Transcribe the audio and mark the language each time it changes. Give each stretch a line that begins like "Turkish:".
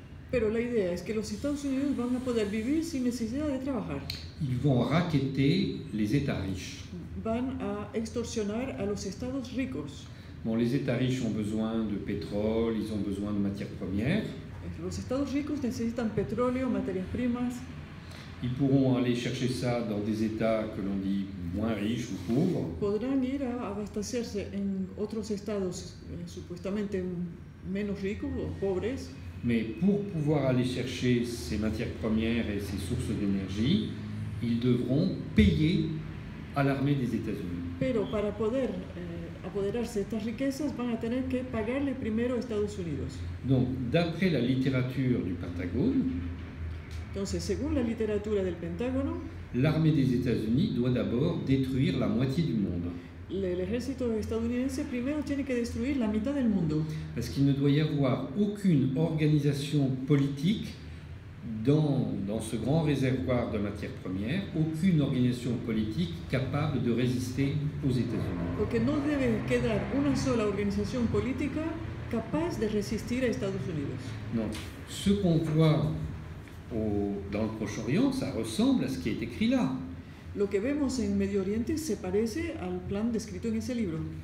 Spanish: Pero la idea es que los Estados Unidos van a poder vivir sin necesidad de trabajar.
French: Ils vont racketter les États riches.
Spanish: Van a extorsionar a los Estados ricos.
French: Bon, les États riches ont besoin de pétrole, ils ont besoin de matières premières.
Spanish: Los Estados ricos necesitan petróleo, materias primas.
French: Ils pourront aller chercher ça dans des États que l'on dit moins riches ou pauvres.
Spanish: Podrán ir a abastecerse en otros estados supuestamente menos ricos o pobres.
French: Mais pour pouvoir aller chercher ces matières premières et ces sources d'énergie, ils devront payer à l'armée des États-Unis.
Spanish: Pero para poder apoderarse de estas riquezas van a tener que pagarle primero a Estados Unidos.
French: Donc, d'après la littérature du Pentagone,
Spanish: entonces, según la literatura del Pentágono,
French: l'armée des États-Unis doit d'abord détruire la moitié du monde.
Spanish: El ejército estadounidense primero tiene que destruir la mitad del mundo.
French: Parce qu'il ne doit y avoir aucune organisation politique dans ce grand réservoir de matières premières, aucune organisation politique capable de résister aux États-Unis.
Spanish: Porque no debe quedar una sola organización política capaz de resistir a Estados Unidos.
French: Non. Ce qu'on voit dans le Proche-Orient, ça ressemble à ce qui est écrit là.
Spanish: Lo que vemos en Medio Oriente se parece al plan descrito en ese libro.